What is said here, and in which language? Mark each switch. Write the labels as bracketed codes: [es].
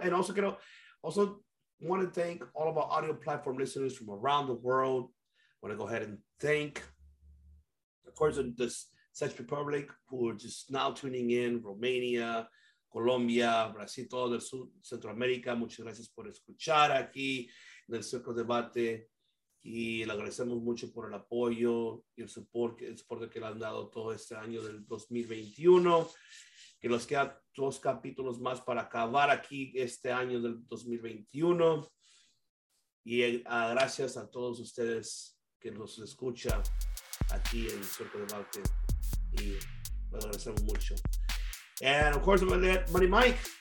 [en] And also, also want to thank all of our audio platform listeners from around the world. want to go ahead and thank, of course, the Czech Republic, who are just now tuning in, Romania, Colombia, Brasil, [es] todo el sur, [en] Central America. [es] Muchas gracias por escuchar aquí en el Circo Debate. Y le agradecemos mucho por el apoyo y el soporte que le han dado todo este año del 2021. Que nos quedan dos capítulos más para acabar aquí este año del 2021. Y gracias a todos ustedes que nos escuchan aquí en el Circo Debate. Y le agradecemos mucho. [en] And of course, I'm going to let Money Mike.